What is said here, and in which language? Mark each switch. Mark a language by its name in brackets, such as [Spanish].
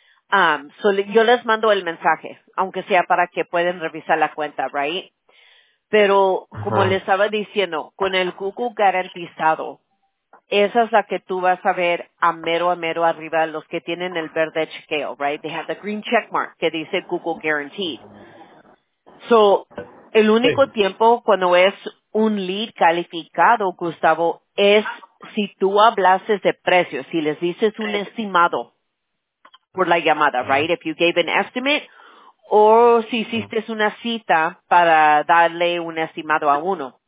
[Spanish] Yo les mando el mensaje, aunque sea para que puedan revisar la cuenta, right? Pero como les estaba diciendo, con el cucu garantizado, esa es la que tú vas a ver a mero arriba, los que tienen el verde chequeo, right? [English] They have the green check mark [Spanish] que dice [English] cucu guaranteed. [Spanish] So, el único tiempo cuando es un lead calificado, Gustavo, es si tú hablases de precios, si les dices un estimado por la llamada, right? [English] If you gave an estimate, [Spanish] o si hiciste una cita para darle un estimado a uno.